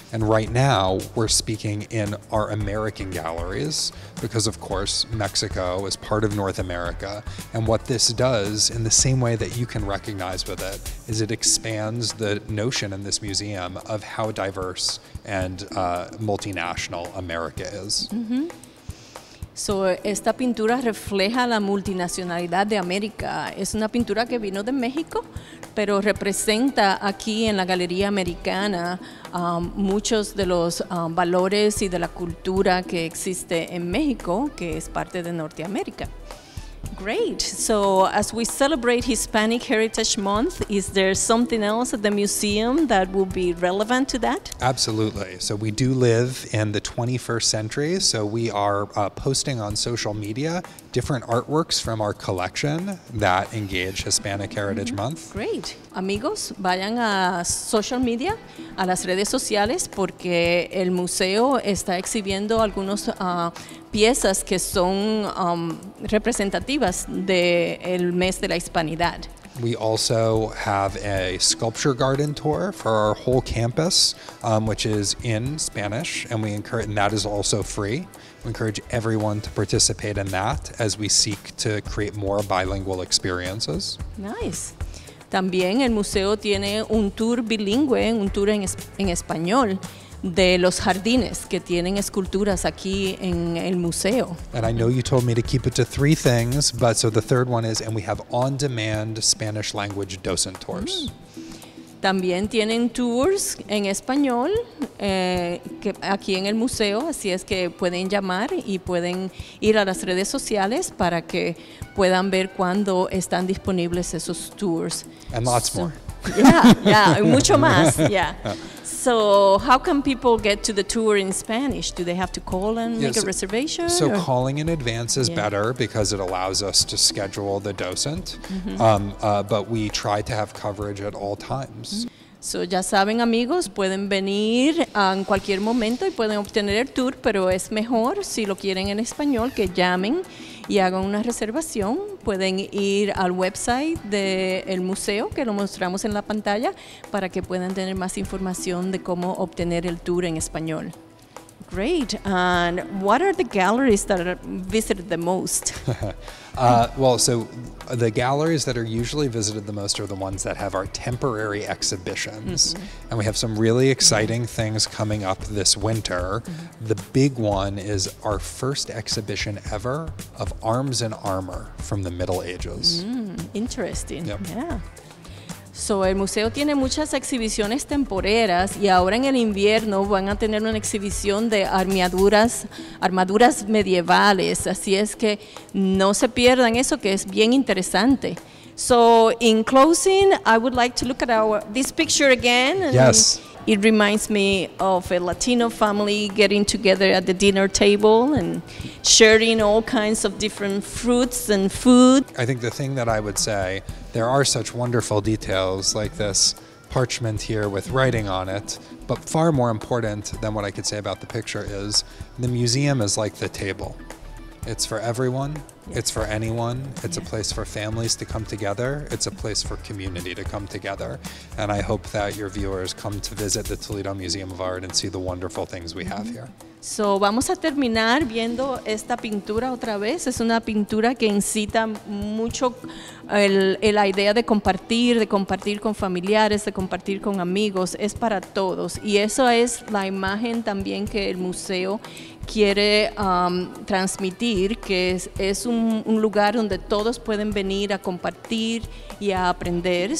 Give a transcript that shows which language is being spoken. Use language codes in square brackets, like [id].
[en] And right now, we're speaking in our American galleries, because of course, Mexico is part of North America. And what this does, in the same way that you can recognize with it, is it expands the notion in this museum of how diverse and multinational America is. Mm-hmm. [es] So, esta pintura refleja la multinacionalidad de América. Es una pintura que vino de México, pero representa aquí en la Galería Americana muchos de los valores y de la cultura que existe en México, que es parte de Norteamérica. [en] Great. So, as we celebrate Hispanic Heritage Month, is there something else at the museum that will be relevant to that? Absolutely. So, we do live in the 21st century, so we are posting on social media different artworks from our collection that engage Hispanic Heritage mm-hmm. Month. Great. [es] Amigos, vayan a social media, a las redes sociales, porque el museo está exhibiendo algunos piezas que son representativas del mes de la Hispanidad. [en] We also have a sculpture garden tour for our whole campus, which is in Spanish, and that is also free. We encourage everyone to participate in that as we seek to create more bilingual experiences. Nice. [es] También el museo tiene un tour bilingüe, un tour en español. De los jardines que tienen esculturas aquí en el museo. [en] And I know you told me to keep it to three things, but so the third one is, and we have on-demand Spanish language docent tours. [es] También tienen tours en español que aquí en el museo, así es que pueden llamar y pueden ir a las redes sociales para que puedan ver cuándo están disponibles esos tours. [en] And lots more. [es] Yeah, mucho más, yeah. [en] So how can people get to the tour in Spanish? Do they have to call and make a reservation? So calling in advance is better because it allows us to schedule the docent, mm-hmm. But we try to have coverage at all times. Mm-hmm. [es] So ya saben, amigos, pueden venir en cualquier momento y pueden obtener el tour, pero es mejor si lo quieren en español que llamen y hagan una reservación. Pueden ir al website del museo, que lo mostramos en la pantalla, para que puedan tener más información de cómo obtener el tour en español. [en] Great. And what are the galleries that are visited the most? The galleries that are usually visited the most are the ones that have our temporary exhibitions. Mm-hmm. And we have some really exciting things coming up this winter. Mm-hmm. The big one is our first exhibition ever of arms and armor from the Middle Ages. Mm, interesting. Yep. Yeah. [es] So, el museo tiene muchas exhibiciones temporeras y ahora en el invierno van a tener una exhibición de armaduras medievales. Así es que no se pierdan eso, que es bien interesante. [en] So, in closing, I would like to look at this picture again. And yes. It reminds me of a Latino family getting together at the dinner table and sharing all kinds of different fruits and food. I think the thing that I would say, there are such wonderful details like this parchment here with writing on it, but far more important than what I could say about the picture is the museum is like the table. It's for everyone. Yeah. It's for anyone. It's a place for families to come together. It's a place for community to come together. And I hope that your viewers come to visit the Toledo Museum of Art and see the wonderful things we have here. [es] So vamos a terminar viendo esta pintura otra vez. Es una pintura que incita mucho la idea de compartir con familiares, de compartir con amigos. Es para todos. Y eso es la imagen también que el museo quiere transmitir, que es un lugar donde todos pueden venir a compartir y a aprender.